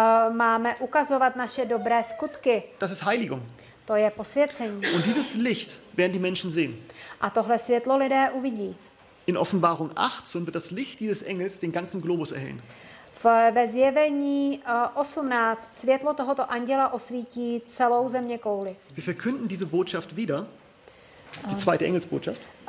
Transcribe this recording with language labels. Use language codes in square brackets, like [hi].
[cs] Máme ukazovat naše dobré skutky. [de] Das ist Heiligung. [cs] To je posvěcení. [de] Und dieses Licht werden die Menschen sehen. [cs] A tohle světlo lidé uvidí. [de] In Offenbarung 18 wird das Licht dieses Engels den ganzen Globus erhellen. [cs] Ve zjevení 18 světlo tohoto anděla osvítí celou země kouli. [de] Wir verkünden diese Botschaft wieder. Die zweite Engelsbotschaft.